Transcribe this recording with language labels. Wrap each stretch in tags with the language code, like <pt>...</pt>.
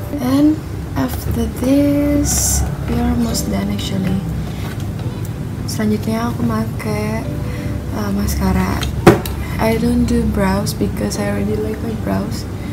<en>And after this, we are almost done actually.</en> <id>Selanjutnya aku pakai mascara.</id> <en>I don't do brows because I already like my brows.</en>